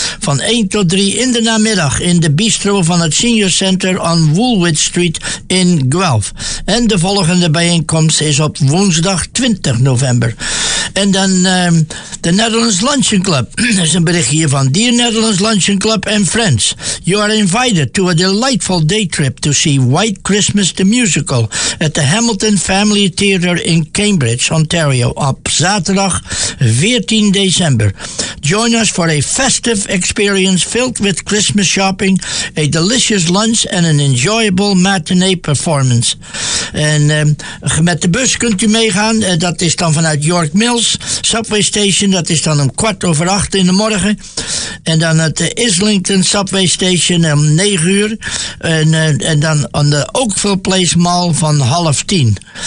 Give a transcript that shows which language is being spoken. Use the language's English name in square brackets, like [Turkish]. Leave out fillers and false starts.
[Dutch] Van 1 tot 3 in de namiddag in de bistro van het Senior Center on Woolwich Street in Guelph. En de volgende bijeenkomst is op woensdag 20 november. En dan de Netherlands Luncheon Club. Dat is een bericht hier van Dear Netherlands Luncheon Club and Friends. [English] You are invited to a delightful day trip to see White Christmas the Musical at the Hamilton Family Theatre in Cambridge, Ontario, [Dutch] op zaterdag 14 december. [English] Join us for a festive experience filled with Christmas shopping, a delicious lunch and an enjoyable matinee performance. [Dutch] En met de bus kunt u meegaan. Dat is dan vanuit York Mills Subway Station. Dat is dan om 7:45 in de morgen. En dan het Islington Subway Station om 9:00. En dan aan de Oakville Place Mall van 9:30.